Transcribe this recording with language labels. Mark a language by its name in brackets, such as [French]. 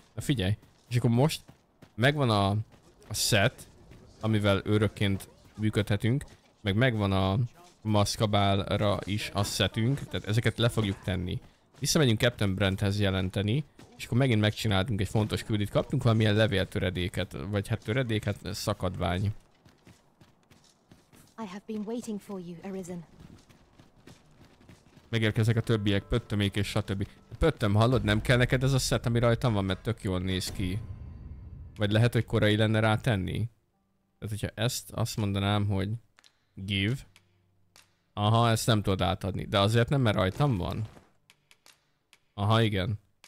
[Hungarian] Na figyelj, és akkor most megvan a set, amivel örökként működhetünk, meg megvan a maszkabálra is a setünk, tehát ezeket le fogjuk tenni. Visszamegyünk Captain Brenthez jelenteni, és akkor megint megcsináltunk egy fontos küldit, kaptunk valamilyen levéltöredéket, vagy hát töredéket, szakadvány. [English] I have been waiting for you, Arisen. [Hungarian] Megérkeznek a többiek, pöttömék és stb. Pöttöm, hallod? Nem kell neked ez a set, ami rajtam van, mert tök jól néz ki. Vagy lehet, hogy korai lenne rá tenni? Tehát, hogyha ezt azt mondanám, hogy give. Aha, ezt nem tudod átadni. De azért nem, mert rajtam van? Aha, igen.